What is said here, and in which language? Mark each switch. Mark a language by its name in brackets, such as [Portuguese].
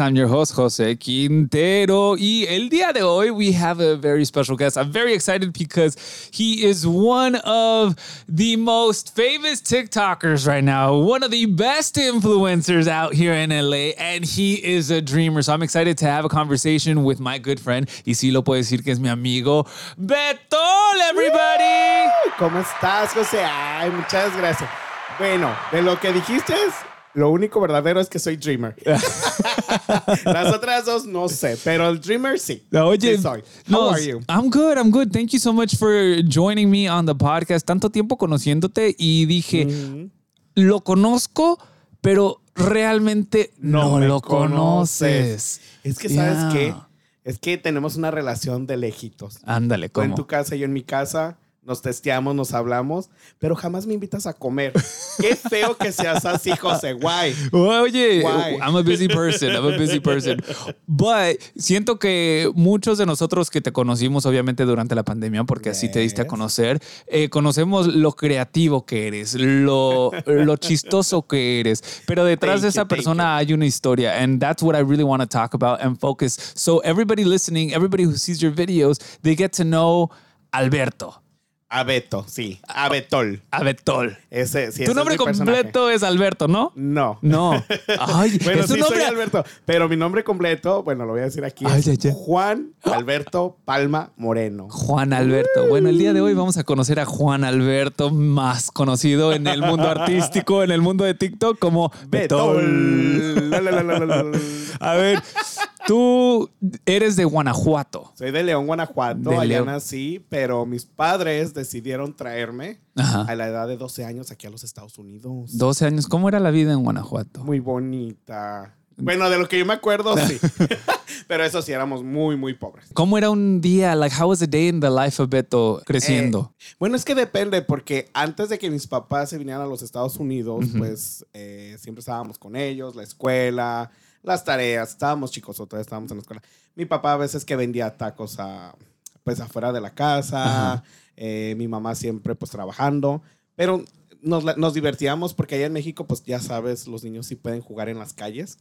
[English] I'm your host, Jose Quintero. Y el día de hoy, we have a very special guest. I'm very excited because he is one of the most famous TikTokers right now. One of the best influencers out here in LA. And he is a dreamer. So I'm excited to have a conversation with my good friend. [Spanish] Y si lo puedo decir que es mi amigo, Betol, everybody. ¿Cómo estás, Jose? Ay, muchas gracias. Bueno, de lo que dijiste, lo único verdadero es que soy dreamer. Las otras dos no sé, pero el dreamer sí. [English] Oye, sí soy. How are you? I'm good, I'm good. Thank you so much for joining me on the podcast. [Spanish] Tanto tiempo conociéndote y dije, lo conozco, pero realmente no lo conoces. Es que, ¿sabes qué? Es que tenemos una relación de lejitos. Ándale, ¿cómo? Tú en tu casa, yo en mi casa. Nos testeamos, nos hablamos, pero jamás me invitas a comer. Qué feo que seas así, José. Why? Oye, why? I'm a busy person. But siento que muchos de nosotros que te conocimos, obviamente, durante la pandemia, porque yes, así te diste a conocer, conocemos lo creativo que eres, lo chistoso que eres. Pero detrás de esa persona hay una historia. [English] And that's what I really want to talk about and focus. So everybody listening, everybody who sees your videos, they get to know Alberto. [Spanish] Abeto, sí. Abetol. Abetol. Ese, sí, tu ese nombre es completo personaje. Es Alberto, ¿no? No. No. Ay, bueno, ¿es sí nombre? Soy Alberto, pero mi nombre completo, bueno, lo voy a decir aquí, ay, es ya. Juan Alberto Palma Moreno. Juan Alberto. Bueno, el día de hoy vamos a conocer a Juan Alberto, más conocido en el mundo artístico, en el mundo de TikTok, como Betol. A ver, tú eres de Guanajuato. Soy de León, Guanajuato. De allá nací, pero mis padres decidieron traerme, ajá, a la edad de 12 años aquí a los Estados Unidos. 12 años. ¿Cómo era la vida en Guanajuato? Muy bonita. Bueno, de lo que yo me acuerdo, sí. Pero eso sí, éramos muy, muy pobres. ¿Cómo era un día? [English] Like, how was the day in the life of Beto creciendo? [Spanish] Bueno, es que depende, porque antes de que mis papás se vinieran a los Estados Unidos, uh-huh, pues siempre estábamos con ellos, la escuela, las tareas, estábamos chicos, o todavía estábamos en la escuela. Mi papá a veces que vendía tacos pues afuera de la casa, mi mamá siempre pues trabajando, pero nos divertíamos porque allá en México, pues ya sabes, los niños sí pueden jugar en las calles.